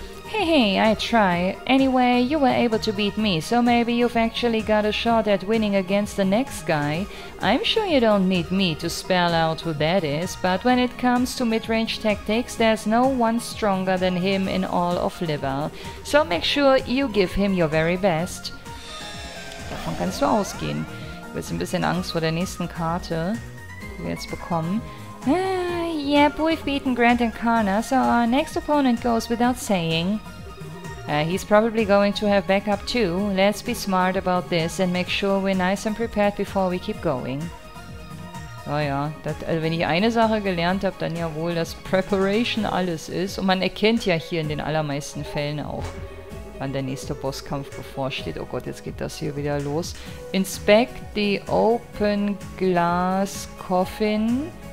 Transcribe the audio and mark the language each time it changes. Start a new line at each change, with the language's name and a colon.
English: Hey, I try. Anyway, you were able to beat me, so maybe you've actually got a shot at winning against the next guy. I'm sure you don't need me to spell out who that is, but when it comes to mid-range tactics, there's no one stronger than him in all of Libel. So make sure you give him your very best.
German: Davon kannst du ausgehen. Du hast ein bisschen Angst vor der nächsten Karte, die wir jetzt bekommen.
English: Yep, we've beaten Grant and Karna, so our next opponent goes without saying. He's probably going to have backup too. Let's be smart about this and make sure we're nice and prepared before we keep going.
German: Oh ja, das, also wenn ich eine Sache gelernt habe, dann ja wohl, dass Preparation alles ist. Und man erkennt ja hier in den allermeisten Fällen auch, wann der nächste Bosskampf bevorsteht. Oh Gott, jetzt geht das hier wieder los.
English: Inspect the open glass coffin.